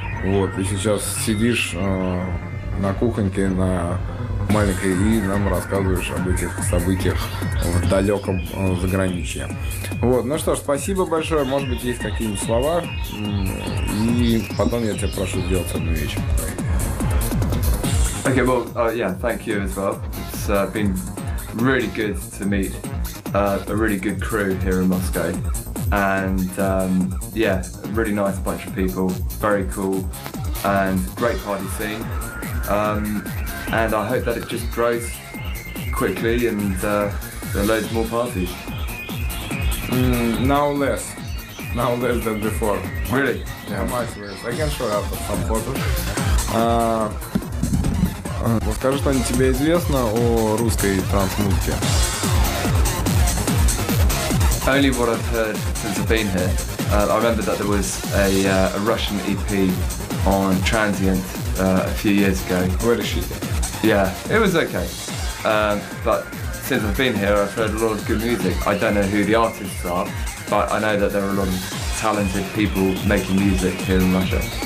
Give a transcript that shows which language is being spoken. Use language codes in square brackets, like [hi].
[ru] Вот, и сейчас сидишь на кухоньке, на маленькой, и нам рассказываешь об этих событиях в далеком заграничье. Вот, ну что ж, спасибо большое. Может быть, есть какие-нибудь слова. И потом я тебя прошу сделать одну вещь. [en] Okay, well, yeah, thank you as well. It's been really good to meet a really good crew here in Moscow. And yeah, really nice bunch of people, very cool and great party scene. And I hope that it just grows quickly and there are loads more parties. Now less than before. Really? Yeah, much less. I can show up some photos. [ru] Расскажи, что тебе известно о русской транс-музыке. [en] Only what I've heard since I've been here. I remember that there was a Russian EP on Transient a few years ago. Where did she go? Yeah, it was okay. But since I've been here, I've heard a lot of good music. I don't know who the artists are, but I know that there are a lot of talented people making music here in Russia.